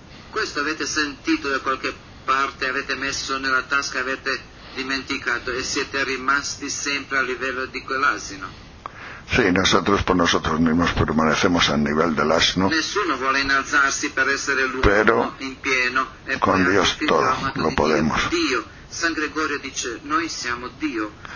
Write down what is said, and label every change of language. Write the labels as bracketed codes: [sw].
[it] Questo avete sentito da qualche parte, avete messo nella tasca, avete dimenticato e siete rimasti sempre a livello di quell'asino. [es] Sí, nosotros por nosotros mismos permanecemos al nivel del asno. [it] Nessuno vuole innalzarsi per essere l'uomo, [es] pero [it] in pieno, [es] e con Dios todo lo podemos. [it] Dio, San Gregorio dice, noi siamo Dio.